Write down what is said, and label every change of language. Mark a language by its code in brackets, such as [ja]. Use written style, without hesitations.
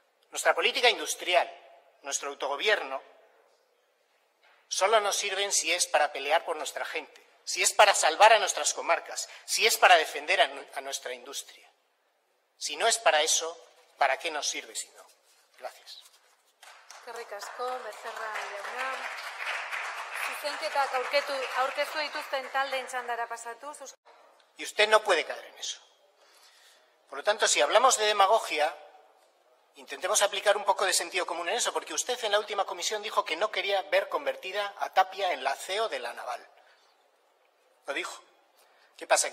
[es] Nuestra política industrial, nuestro autogobierno, solo nos sirven si es para pelear por nuestra gente, si es para salvar a nuestras comarcas, si es para defender a nuestra industria. Si no es para eso, ¿para qué nos sirve si no? Gracias. [eu] Eskerrik asko, Becerra jauna. Zuzenketak aurkeztu dituzten taldeen txandara pasatuz. [es] Y usted no puede caer en eso. Por lo tanto, si hablamos de demagogia, intentemos aplicar un poco de sentido común en eso, porque usted en la última comisión dijo que no quería ver convertida a Tapia en la CEO de la naval. Lo dijo. ¿Qué pasa?